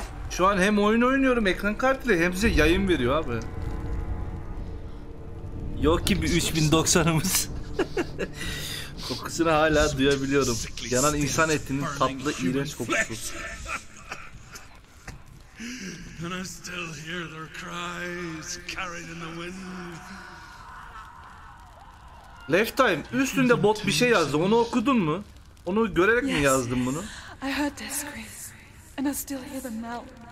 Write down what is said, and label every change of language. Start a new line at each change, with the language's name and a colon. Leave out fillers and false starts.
Turkish: Şu an hem oyun oynuyorum ekran kartıyla hem size yayın veriyor abi. Yok ki bir 3090'ımız. Kokusunu hala duyabiliyorum. Yanan insan etinin tatlı iğrenç kokusu.
English: And I still hear their cries carried in the wind.
Turkish: Left time üstünde bot bir şey yazdı. Onu okudun mu? Onu görerek mi yazdın bunu?
English: I heard their screams and I still hear them now.